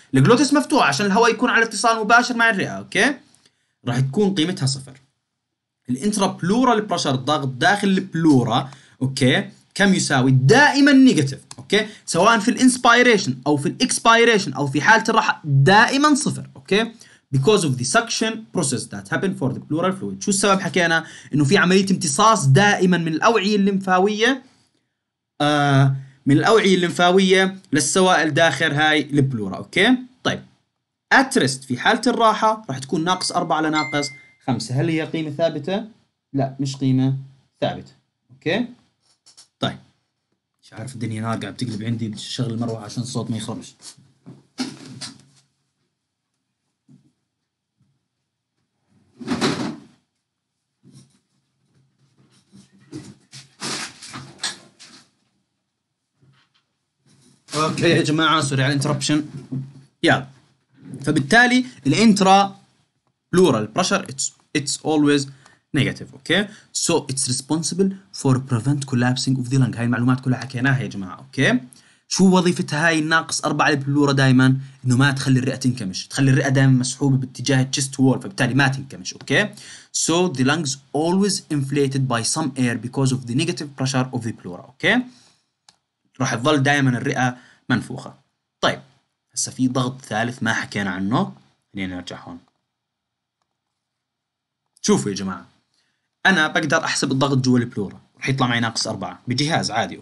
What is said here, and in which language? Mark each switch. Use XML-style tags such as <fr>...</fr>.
<ar>الجلوتس مفتوح عشان الهواء يكون على اتصال مباشر مع الرئه، اوكي. راح تكون قيمتها صفر. الانترا بلورال بريشر، الضغط داخل البلورا، اوكي، كم يساوي؟ دائما نيجاتيف، اوكي، سواء في الانسبيريشن او في الاكسبيريشن او في حاله الراحه دائما صفر، اوكي.</ar> <en>Because of the suction process that happened for the pleural fluid.</en> <ar>شو السبب؟ حكينا انه في عملية امتصاص دائما من الأوعية الليمفاوية من الأوعية الليمفاوية للسوائل داخل هاي البلورا، اوكي؟ طيب</ar> <en>at rest</en> <ar>في حالة الراحة راح تكون ناقص 4 على ناقص 5، هل هي قيمة ثابتة؟ لا، مش قيمة ثابتة، اوكي؟ طيب مش عارف الدنيا نار قاعد بتقلب عندي، بشغل المروحة عشان الصوت ما يخربش. اوكي يا جماعه سوري على الانتربشن. يلا فبالتالي الانترا بلورال بريشر</ar> <en>it's always negative,</en> <ar>اوكي،</ar> <en>So it's responsible for prevent collapsing of the lung.</en> <ar>هاي المعلومات كلها حكيناها يا جماعه، اوكي. شو وظيفتها هاي الناقص أربعة البلورة دائما؟ إنه ما تخلي الرئة تنكمش، تخلي الرئة دائما مسحوبة باتجاه chest wall، فبالتالي ما تنكمش.</ar> <en>Okay? so the lungs always inflated by some air because of the negative pressure of the pleura.</en> <ar>أوكي؟ راح تظل دائما الرئة منفوخة. طيب هسا في ضغط ثالث ما حكينا عنه، خلينا نرجع هون. شوفوا يا جماعة، أنا بقدر أحسب الضغط جوا البلورة، راح يطلع معي ناقص أربعة بجهاز عادي.</ar>